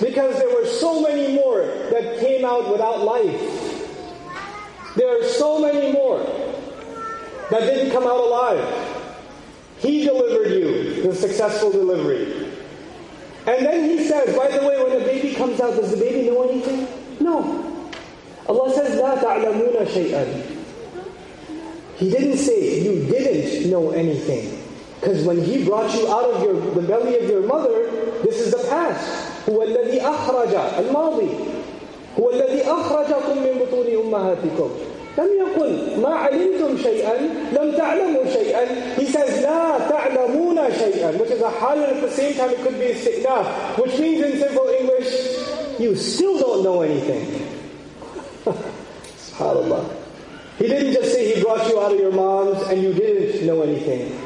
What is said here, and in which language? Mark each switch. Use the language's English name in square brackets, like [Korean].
[English] Because there were so many more that came out without life. There are so many more that didn't come out alive. He delivered you the successful delivery. And then he says, by the way, when a baby comes out, does the baby know anything? No. Allah says, [Arabic] لا تعلمون شيئا. [English] He didn't say, you didn't know anything. Because when he brought you out of the belly of your mother, this is the past. [Arabic] هو الذي أخرج الماضي. هو الذي أخرجكم من بطون أمهاتكم. لم يقل ما علمتم شيئا لم تعلموا شيئا. [English] He says [Arabic] لا تعلمون شيئا, [English] which is a حال, and at the same time it could be استئناف, which means in simple English, you still don't know anything. SubhanAllah. He didn't just say he brought you out of your moms and you didn't know anything.